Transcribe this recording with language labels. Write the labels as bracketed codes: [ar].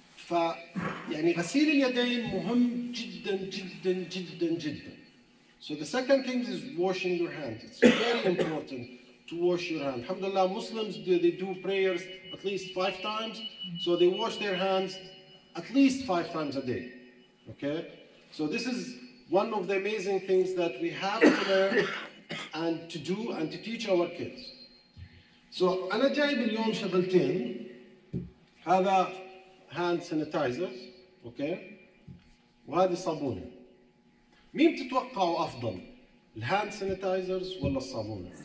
[ar] يعني غسيل اليدين مهم جدا جدا جدا جدا. [en] So the second thing is washing your hands. It's very important to wash your hands. Alhamdulillah, Muslims do, they do prayers at least 5 times. So they wash their hands at least 5 times a day. Okay? So this is one of the amazing things that we have to learn and to do and to teach our kids. [ar] So أنا جايب اليوم شغلتين. [en] هذا hand sanitizer. [ar] Okay? وهذه صابونة. مين بتتوقعوا أفضل؟ الهاند سانيتايزرز ولا الصابونة؟